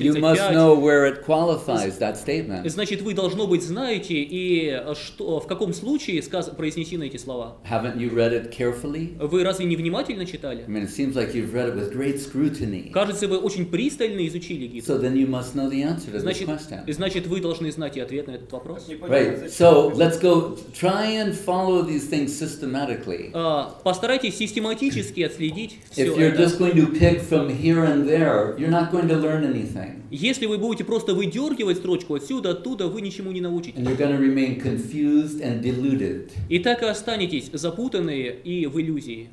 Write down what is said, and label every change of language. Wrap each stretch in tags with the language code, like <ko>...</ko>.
<en>You must know where it qualifies that statement.</en> <ru>Значит, вы должно быть знаете и что в каком случае произнесены эти слова.</ru> <en>Haven't you read it carefully?</en> <ru>Вы разве не внимательно читали?</ru> <en>I mean, it seems like you've read it with great scrutiny.</en> <ru>Кажется, вы очень пристально изучили Гиту.</ru> <en>So then you must know the answer to this question.</en> <ru>Значит, вы должны знать и ответ на этот вопрос.</ru> <en>Right. So let's go. Try and follow these things systematically.</en> <ru>Постарайтесь систематически отследить.</ru> <en>If you're just going to pick from here and there, you're not going to learn anything.</en> <ru>Если вы будете просто выдергивать строчку отсюда, оттуда, вы ничему не научитесь.</ru> <en>And you're going to remain confused and deluded.</en> <ru>И так и останетесь запутанные и в иллюзии.</ru>